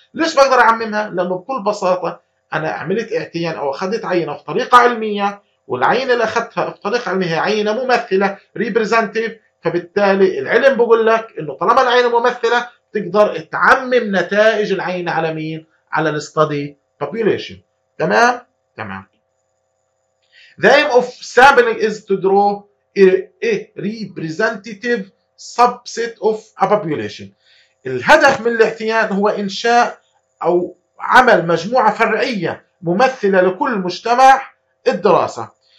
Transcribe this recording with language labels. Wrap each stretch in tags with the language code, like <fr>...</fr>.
<ar>ليش بقدر اعممها؟ لانه بكل بساطه انا عملت اعتيان او اخذت عينه بطريقه علميه، والعينه اللي اخذتها بطريقه علميه هي عينه ممثله ريبريزنتيف فبالتالي العلم بقول لك انه طالما العين ممثله تقدر تعمم نتائج العين على مين؟ على الستادي بوبيوليشن. تمام.</ar> <en>The aim of sampling is to draw a representative subset of a population.</en> <ar>الهدف من الاعتيان هو انشاء او عمل مجموعه فرعيه ممثله لكل مجتمع الدراسه.</ar>